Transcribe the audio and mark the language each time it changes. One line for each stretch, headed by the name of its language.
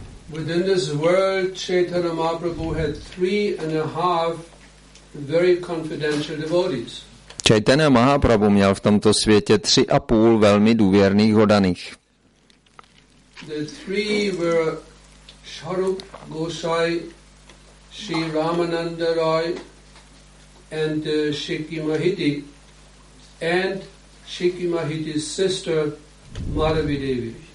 English: Within this world, Chaitanya Mahaprabhu had 3.5 very confidential devotees.
Czech: Chaitanya Mahaprabhu měl v tomto světě 3,5 velmi důvěrných hodaných.
English: The three were Sharup Gosai, Sri Ramananda Rai and Shikhi Mahiti and Shikhi Mahiti's sister Madhavi Devi.